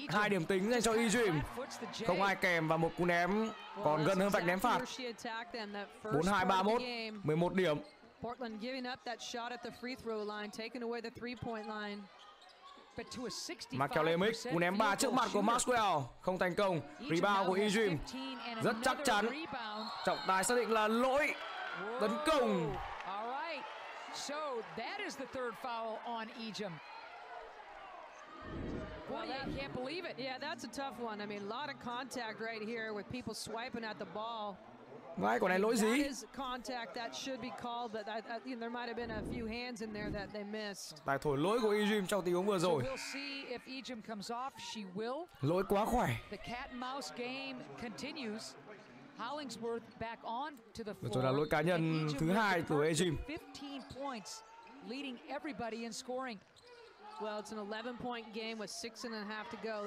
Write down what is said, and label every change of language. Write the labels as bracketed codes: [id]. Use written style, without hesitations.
[vi] Hai điểm tính dành cho Ejim. Không ai kèm và một cú ném còn gần hơn vạch ném phạt. 42-31. 11 điểm. [en] Portland giving up that shot at the free throw line, taking away the three point line. [vi] McAlemix cú ném ba trước mặt của Maxwell không thành công. Rebound của Ejim rất chắc chắn. Trọng tài xác định là lỗi. Tấn công. [en] All right. So that is the third foul on Ejim. Well, I can't believe it. Yeah, that's a tough one. I mean, a lot of contact right here with people swiping at the ball. [vi] Ngoài quả này lỗi gì? [en] That is contact that should be called, but I you know, there might have been a few hands in there that they missed. [vi] Tài thổi lỗi của Ejim trong tình huống vừa rồi. [en] So we'll see if Ejim comes off. She will. [vi] Lỗi quá khỏe. [en] The cat and mouse game continues. Hollingsworth back on to the floor. [vi] Rồi là lỗi cá nhân thứ hai của Ejim. [en] 15 points leading everybody in scoring. Well, it's an 11 point game with 6.5 to go.